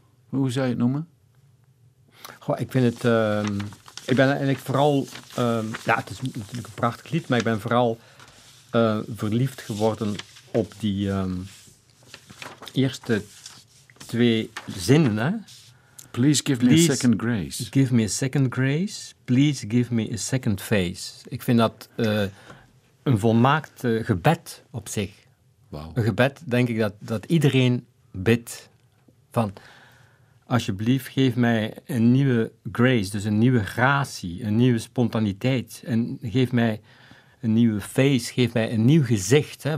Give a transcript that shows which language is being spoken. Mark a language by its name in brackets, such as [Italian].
[Dutch] Hoe zou je het noemen? Goh, ik vind het... ik ben eigenlijk vooral... ja, het is natuurlijk een prachtig lied, maar ik ben vooral verliefd geworden op die eerste twee zinnen, hè? [English] Please give me a second grace. Give me a second grace. Please give me a second face. [Dutch] Ik vind dat een volmaakt gebed op zich. Wow. Een gebed, denk ik, dat iedereen bidt. Van, alsjeblieft, geef mij een nieuwe grace. Dus een nieuwe gratie, een nieuwe spontaniteit. En geef mij een nieuwe face, geef mij een nieuw gezicht. Hè?